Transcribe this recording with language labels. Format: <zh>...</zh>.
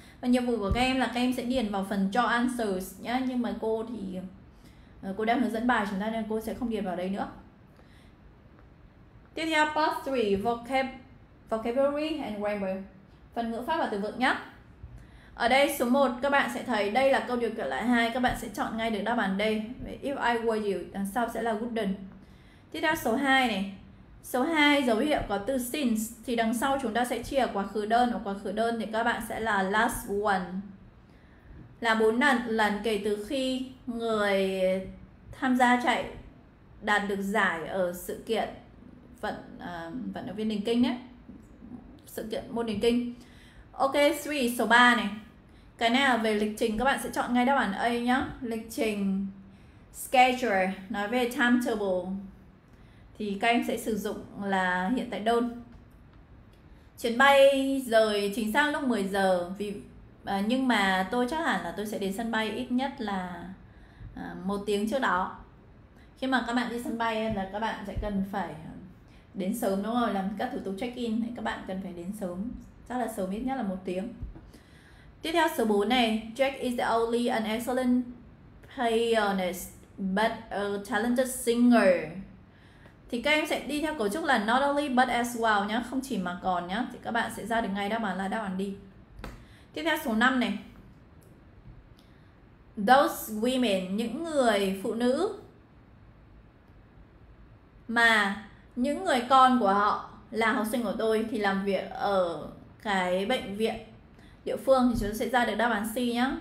<vi>Và nhiệm vụ của các em là các em sẽ điền vào phần cho answers nhé. Nhưng mà cô thì cô đang hướng dẫn bài chúng ta nên cô sẽ không điền vào đây nữa. Tiếp theo part 3, vocabulary and grammar, phần ngữ pháp và từ vựng nhé. Ở đây số 1 các bạn sẽ thấy đây là câu điều kiện loại 2, các bạn sẽ chọn ngay được đáp án đây.</vi> <en>If I were you, đằng sau sẽ là wouldn't.</en> <vi>Tiếp theo số 2 này. Số 2 dấu hiệu có từ since, thì đằng sau chúng ta sẽ chia quá khứ đơn, và quá khứ đơn thì các bạn sẽ là last one. Là 4 lần kể từ khi người tham gia chạy đạt được giải ở sự kiện vận động viên điền kinh ấy, sự kiện môn điền kinh. Ok, three, số 3 này. Cái này là về lịch trình, các bạn sẽ chọn ngay đáp án A nhá. Lịch trình, schedule, nói về timetable thì các em sẽ sử dụng là hiện tại đơn. Chuyến bay rời chính xác lúc 10 giờ vì nhưng mà tôi chắc hẳn là tôi sẽ đến sân bay ít nhất là 1 tiếng trước đó. Khi mà các bạn đi sân bay là các bạn sẽ cần phải đến sớm, đúng không? Làm các thủ tục check-in thì các bạn cần phải đến sớm, chắc là sớm ít nhất là 1 tiếng. Tiếp theo số 4 này.</vi> <en>Jack is the only an excellent pianist but a talented singer.</en> <vi>Thì các em sẽ đi theo cấu trúc là not only but as well nhá, không chỉ mà còn nhá, thì các bạn sẽ ra được ngay đáp án là đáp án đi. Tiếp theo số 5 này. Those women, những người phụ nữ mà những người con của họ là học sinh của tôi thì làm việc ở cái bệnh viện địa phương, thì chúng ta sẽ ra được đáp án C nhé.</vi>